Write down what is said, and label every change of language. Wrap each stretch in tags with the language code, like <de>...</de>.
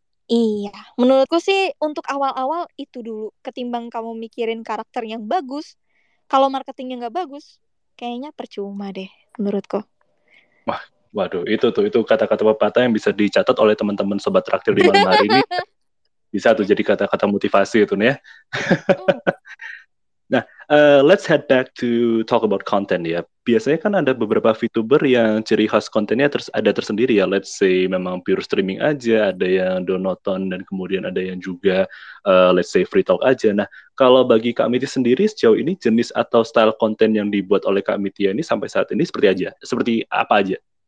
<id>Iya, menurutku sih untuk awal-awal itu dulu, ketimbang kamu mikirin karakter yang bagus, kalau marketingnya nggak bagus, kayaknya percuma deh menurutku. Wah, waduh, itu kata-kata pepatah yang bisa dicatat oleh teman-teman Sobat Traktir di malam hari ini. Bisa tuh jadi kata-kata motivasi itu nih ya.</id> <en>Nah, let's head back to talk about content ya.</en> <id>Biasanya kan ada beberapa VTuber yang ciri khas kontennya ada tersendiri ya.</id> <en>Let's say</en> <id>memang pure streaming aja, ada yang donoton, dan kemudian ada yang juga let's say</id> <en>free talk</en> <id>aja. Nah, kalau bagi Kak Mitya sendiri sejauh ini jenis atau style konten yang dibuat oleh Kak Mitya ini sampai saat ini seperti apa aja?</id>